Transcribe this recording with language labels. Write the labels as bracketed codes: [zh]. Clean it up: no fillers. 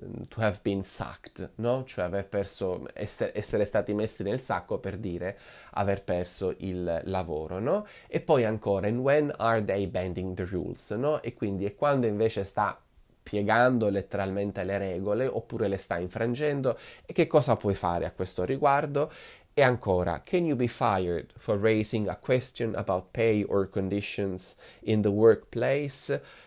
[en] To have been sacked, [it] no? Cioè aver perso, essere stati messi nel sacco per dire aver perso il lavoro, no? E poi ancora, [en] and when are they bending the rules, no? [it] E quindi è quando invece sta piegando letteralmente le regole oppure le sta infrangendo, e che cosa puoi fare a questo riguardo? E ancora, [en] can you be fired for raising a question about pay or conditions in the workplace?